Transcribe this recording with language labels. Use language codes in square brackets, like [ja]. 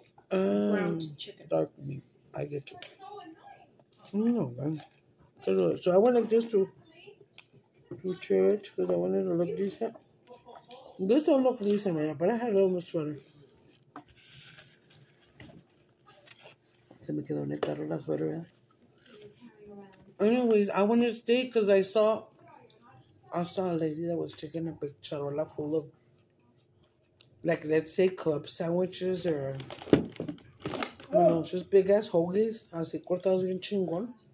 [en] ground chicken. Dark meat. I get you. No, man. So I went like this to church because I wanted to look decent. This don't look decent, man, but I had a little bit sweater. [es] Se me quedó en el carro la sweater, ¿verdad? [en] Anyways, I wanted to stay because I saw a lady that was taking a big charola full of, like, let's say club sandwiches or, you know, just big-ass hoagies. [es] Así cortados bien chingón.